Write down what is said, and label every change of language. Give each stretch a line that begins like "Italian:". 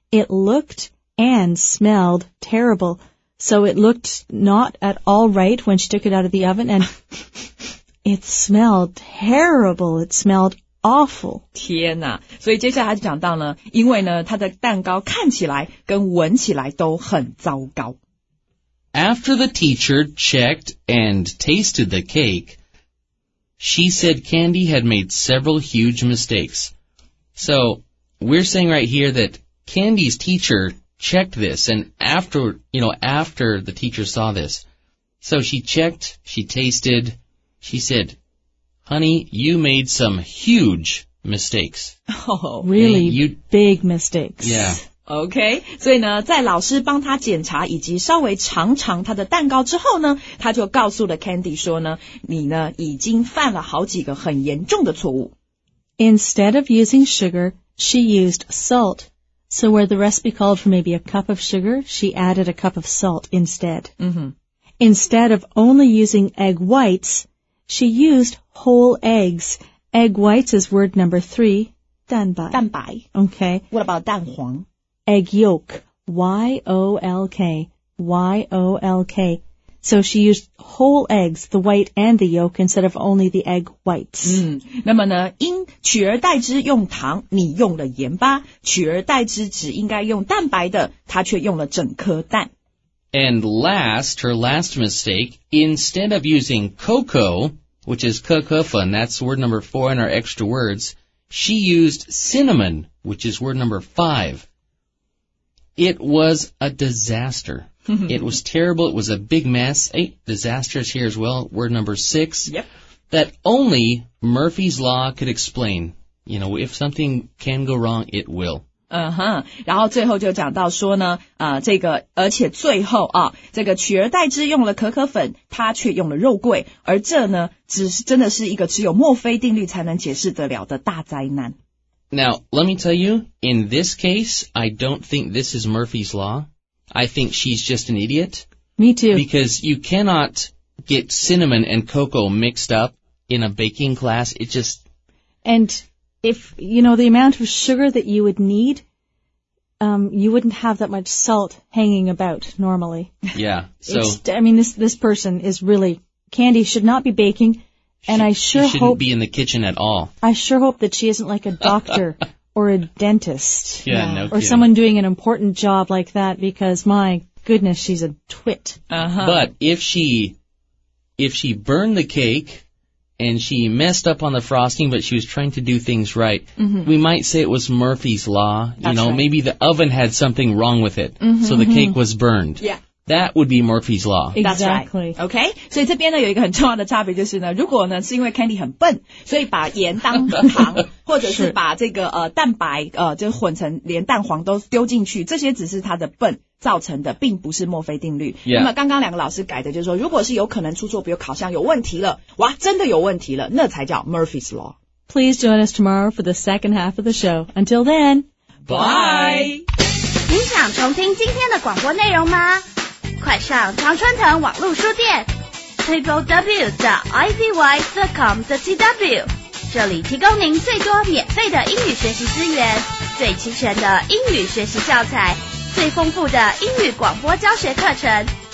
English: It looked and smelled terrible. So it looked not at all right when she took it out of the oven and it smelled terrible. It smelledAwful.
Chinese: 天哪，所以接下来就讲到呢，因为呢，它的蛋糕看起来跟闻起来都很糟糕。
English: After the teacher checked and tasted the cake, she said Candy had made several huge mistakes. So, we're saying right here that Candy's teacher checked this, and after the teacher saw this, so she checked, she tasted, she said,Honey, you made some huge mistakes. Oh, really? Big mistakes. Yeah. Okay.
Chinese: 所以呢，在老师帮他检查以及稍微尝尝他的蛋糕之后呢，他就告诉了 Candy 说呢，你呢已经犯了好几个很严重的错误。
English: Instead of using sugar, she used salt. So where the recipe called for maybe a cup of sugar, she added a cup of salt instead. Instead of only using egg whites,She used whole eggs. Egg whites is word number 3.
Chinese: 蛋白.Okay.
English: What about 蛋黄? Egg yolk. Y-O-L-K. Y-O-L-K. So she used whole eggs, the white and the yolk, instead of only the egg whites.
Chinese: 那么呢,应取而代之用糖,你用了盐巴,取而代之只应该用蛋白的,她却用了整颗蛋。
English: And last, her last mistake, instead of using cocoa, which is cacophon, that's word number 4 in our extra words, she used cinnamon, which is word number 5. It was a disaster. It was terrible. It was a big mess. Disaster is here as well, word number 6. Yep. That only Murphy's Law could explain. You know, if something can go wrong, it will.
Chinese: 然后最后就讲到说呢这个而且最后啊这个取而代之用了可可粉他却用了肉桂而这呢只是真的是一个只有墨菲定律才能解释得了的大灾难。
English: Now, let me tell you, in this case, I don't think this is Murphy's Law. I think she's just an idiot. Me too. Because you cannot get cinnamon and cocoa mixed up in a baking class. It just... And... If, you know, the amount of sugar that you would need, you wouldn't have that much salt hanging about normally. Yeah, so... this person is really... Candy should not be baking, and be in the kitchen at all. I sure hope that she isn't like a doctor or a dentist. Yeah, no kidding. Or someone doing an important job like that, because, my goodness, she's a twit. Uh-huh. But if she burned the cake... And she messed up on the frosting, but she was trying to do things right. Mm-hmm. We might say it was Murphy's Law. That's right. Maybe the oven had something wrong with it. Mm-hmm, so the cake was burned. Yeah. That would be Murphy's Law. Exactly. Okay.
Chinese: 所以这边呢有一个很重要的差别就是呢如果呢是因为 Candy 很笨所以把盐当糖或者是把这个蛋白就混成连蛋黄都丢进去这些只是他的笨。造成的并不是墨菲定律、 yeah. 那么刚刚两个老师改的就是说如果是有可能出错比如烤箱有问题了哇真的有问题了那才叫 Murphy's Law
English: Please join us tomorrow for the second half of the show Until then Bye
Chinese: 你想重听今天的广播内容吗快上常春藤网络书店 www.ivy.com.tw 这里提供您最多免费的英语学习资源最齐全的英语学习教材最丰富的英语广播教学课程